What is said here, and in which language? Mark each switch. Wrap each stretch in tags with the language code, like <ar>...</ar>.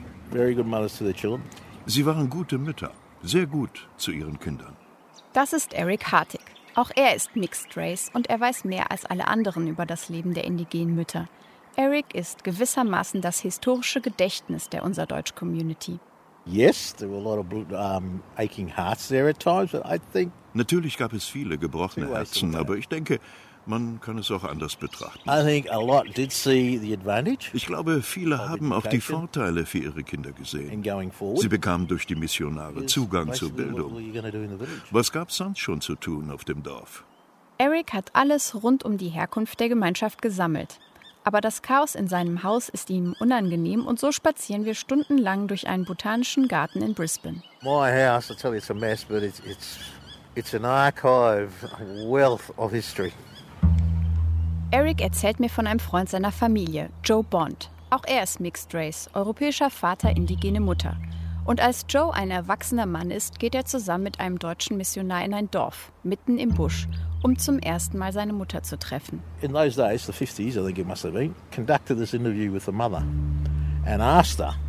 <en>Very good mothers to their children.</en> <de>Sie waren gute Mütter, sehr gut zu ihren Kindern. Das ist Eric Hartig. Auch er ist Mixed Race und er weiß mehr als alle anderen über das Leben der indigenen Mütter. Eric ist gewissermaßen das historische Gedächtnis der Unserdeutsch-Community.</de> <en>Yes, there were a lot of aching hearts there at times, but I think.</en> <de>Natürlich gab es viele gebrochene Herzen, aber ich denke, man kann es auch anders betrachten.</de> <en>I think a lot did see the advantage.</en> <de>Ich glaube, viele haben auch die Vorteile für ihre Kinder gesehen. Sie bekamen durch die Missionare Zugang zur Bildung. Was gab es sonst schon zu tun auf dem Dorf? Eric hat alles rund um die Herkunft der Gemeinschaft gesammelt. Aber das Chaos in seinem Haus ist ihm unangenehm und so spazieren wir stundenlang durch einen botanischen Garten in Brisbane.</de> <en>My house, I tell you, it's a mess, but it's an archive, a wealth of history.</en> <de>Eric erzählt mir von einem Freund seiner Familie, Joe Bond. Auch er ist Mixed Race, europäischer Vater, indigene Mutter. Und als Joe ein erwachsener Mann ist, geht er zusammen mit einem deutschen Missionar in ein Dorf, mitten im Busch, um zum ersten Mal seine Mutter zu treffen.</de> <en>In those days, the 50s, I think it must have been, conducted this interview with the mother and asked her.</en>